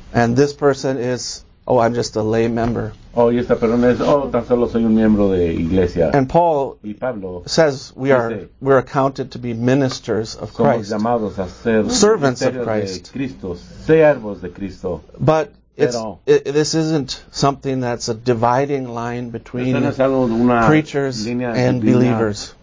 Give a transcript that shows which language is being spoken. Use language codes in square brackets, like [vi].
[en] And this person is, oh, I'm just a lay member. [es] Oh, y esta persona es, oh, tan solo soy un miembro de iglesia. [en] And Paul [es] y Pablo [en] says we are we're accounted to be ministers of Christ. [es] Somos llamados a ser [en] servants of Christ. [es] De Cristo, servos de Cristo. [en] But it's, this isn't something that's a dividing line between preachers and believers.